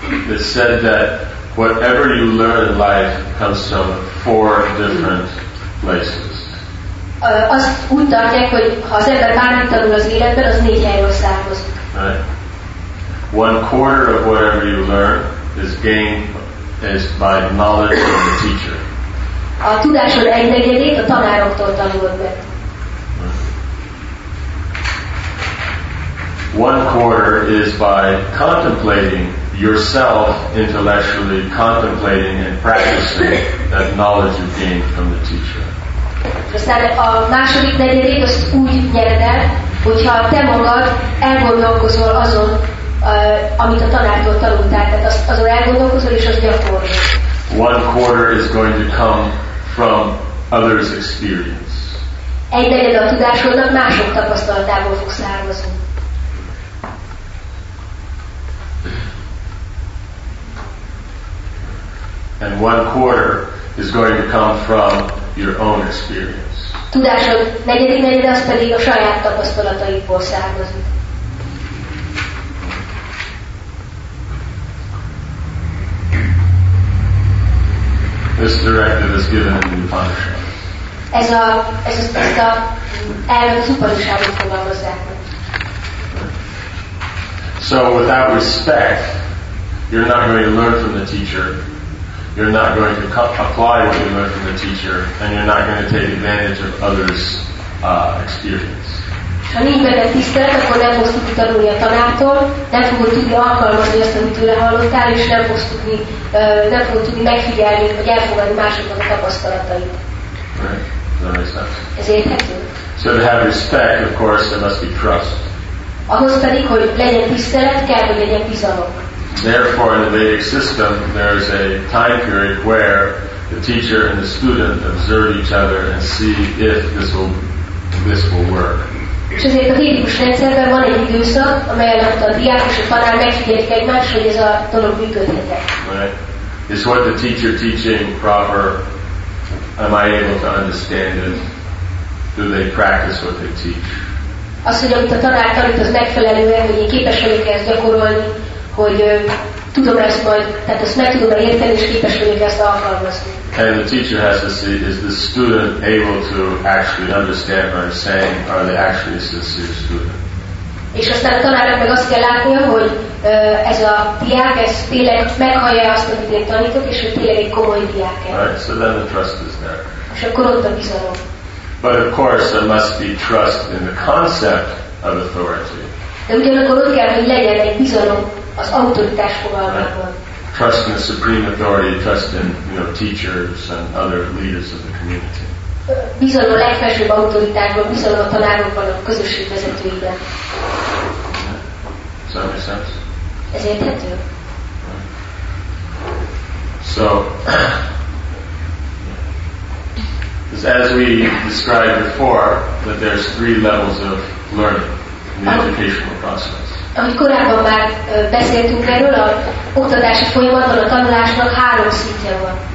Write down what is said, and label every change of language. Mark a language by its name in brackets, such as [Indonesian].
[English] It's said that whatever you learn in life comes from four different places. [Hungarian] Azt úgy tartják, hogy ha az ember bármit tanul az életben, az négy helyről származik. [English] One quarter of whatever you learn is gained is by knowledge from the teacher. [Hungarian] A tudásod egy negyedét a tanároktól tanulod meg. [English] One quarter is by contemplating yourself intellectually, contemplating and practicing that knowledge you gained from the teacher. [Hungarian] Aztán a második negyedét azt úgy nyered el, hogyha te magad elgondolkozol azon, amit a tanártól tanultál, tehát azon elgondolkozol és azt gyakorlod. [English] One quarter is going to come from others' experience. [Hungarian] Egy negyed a tudásodnak mások tapasztalatából fog származni. [English] And one quarter is going to come from your own experience. [Hungarian] Tudásod negyedik negyede az pedig a saját tapasztalataiból származik. [English] This directive is given in the Upanishad. So without respect, you're not going to learn from the teacher, you're not going to apply what you learned from the teacher, and you're not going to take advantage of others' experience. [Hungarian] Ha nincs benne tisztelet, akkor nem fogsz tudni tanulni a tanártól, nem fogod tudni alkalmazni azt, amit tőle hallottál, és nem fogsz tudni, nem fogod tudni megfigyelni, vagy elfogadni másoknak a tapasztalatait. [English] Right. [Hungarian] Ez érthető. [English] So to have respect, of course, there must be trust. [Hungarian] Ahhoz pedig, hogy legyen tisztelet, kell, hogy legyen bizalom. [English] Therefore, in the Vedic system, there is a time period where the teacher and the student observe each other and see if this will work. [Hungarian] És ezért a védikus rendszerben van egy időszak, amely alatt a diák és a tanár megfigyelik egymást, hogy ez a dolog működhet-e. [English] Right. Is what the teacher teaching proper? Am I able to understand it? Do they practice what they teach? [Hungarian] Az, hogy amit a tanár tanít, az megfelelő-e, hogy én képes vagyok ezt gyakorolni, hogy tudom ezt majd, tehát ezt meg tudom-e érteni, és képes vagyok ezt alkalmazni. [English] And the teacher has to see, is the student able to actually understand what I'm saying? Are they actually a sincere student? [Hungarian] És aztán a tanárnak meg azt kell látnia, hogy ez a diák, ez tényleg meghallja azt, amit én tanítok, és hogy tényleg egy komoly diák. [English] Right, so then the trust is there. [Hungarian] És akkor ott a bizalom. [English] But of course there must be trust in the concept of authority. [Hungarian] De ugyanakkor ott kell, hogy legyen egy bizalom az autoritás fogalmában. [English] Trust in the supreme authority, trust in, you know, teachers and other leaders of the community. [Hungarian] Bizalom a legfelsőbb autoritásban, bizalom a tanárokban, a közösség vezetőiben. [English] Does that make sense? [Hungarian] Ez érthető. [English] So, as we described before, that there's three levels of learning in the educational process. [Hungarian] Ahogy korábban már beszéltünk erről, a oktatási folyamaton a tanulásnak három szintje van.